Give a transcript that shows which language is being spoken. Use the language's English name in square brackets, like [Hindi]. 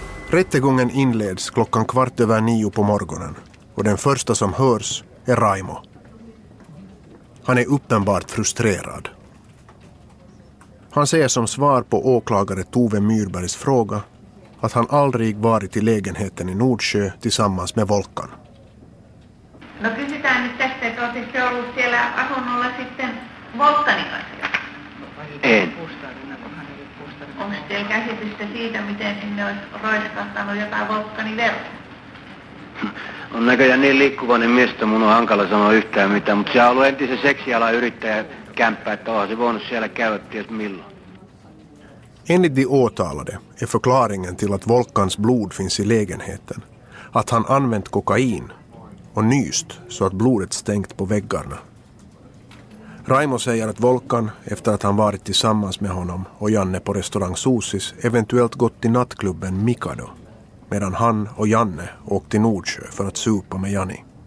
[Swedish] Rättegången inleds klockan 9:15 på morgonen, och den första som hörs är Raimo. Han är uppenbart frustrerad. Han säger som svar på åklagare Tove Myrbergs fråga att han aldrig varit i lägenheten i Nordsjö tillsammans med Volkan. [Finnish] No kysytään nyt tästä, että olisitko ollut siellä asunnolla sitten Volkanin kanssa? En. Onko teillä käsitystä siitä, miten sinne olisi roiskahtanut jotain Volkanin verran? On näköjään niin liikkuvainen mies, että mun on hankala sanoa yhtään mitään, mutta siellä on ollut entisen seksialan yrittäjä kämppä, että onhan se voinut siellä käydä ties milloin. [Swedish] Enligt de åtalade är förklaringen till att Volkans blod finns i lägenheten att han använt kokain och nyst så att blodet stängt på väggarna. Raimo säger att Volkan, efter att han varit tillsammans med honom och Janne på restaurang Sosis, eventuellt gått till nattklubben Mikado, medan han och Janne åkte till Nordsjö för att supa med Jani.